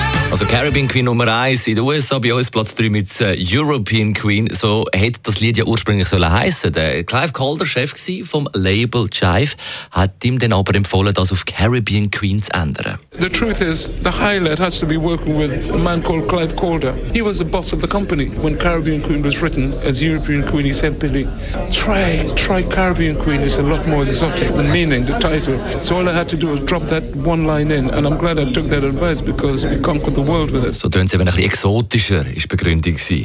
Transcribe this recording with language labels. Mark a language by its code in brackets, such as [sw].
[de] Also Caribbean Queen Nummer 1 in den USA, bei uns Platz 3 mit European Queen. So hätte das Lied ja ursprünglich sollen heissen. Der Clive Calder, Chef vom Label Jive, hat ihm dann aber empfohlen, das auf Caribbean Queen zu ändern. [en] The truth is, the highlight has to be working with a man called Clive Calder. He was the boss of the company. When Caribbean Queen was written as European Queen, he said, Billy, try Caribbean Queen. It's a lot more exotic, the meaning, the title. So all I had to do was drop that one line in. And I'm glad I took that advice, because we conquered the world with it. [de] So tönt es eben ein bisschen exotischer, ist die Begründung.